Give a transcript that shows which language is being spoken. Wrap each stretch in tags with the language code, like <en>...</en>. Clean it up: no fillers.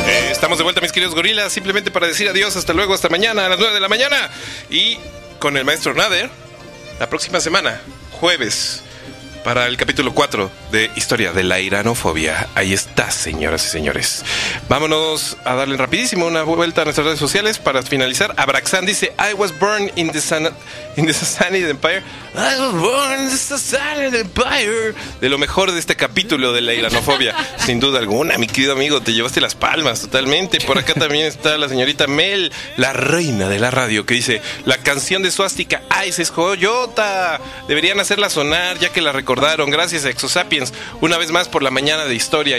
<es>Estamos de vuelta, mis queridos gorilas, simplemente para decir adiós, hasta luego, hasta mañana, a las 9 de la mañana. Y con el maestro Nader, la próxima semana, jueves, para el capítulo 4 de Historia de la Iranofobia. Ahí está, señoras y señores. Vámonos a darle rapidísimo una vuelta a nuestras redes sociales para finalizar.</es> <en>Abraxan</en> <es>dice,</es> <en>I was born in the Sassanid Empire. I was born in the Sassanid Empire.</en> <es>De lo mejor de este capítulo de la Iranofobia. Sin duda alguna, mi querido amigo, te llevaste las palmas totalmente. Por acá también está la señorita Mel, la reina de la radio, que dice, la canción de suástica Ice es Coyota. Deberían hacerla sonar, ya que la recordaron. Gracias, Exos Sapiens, una vez más por la mañana de historia.</es>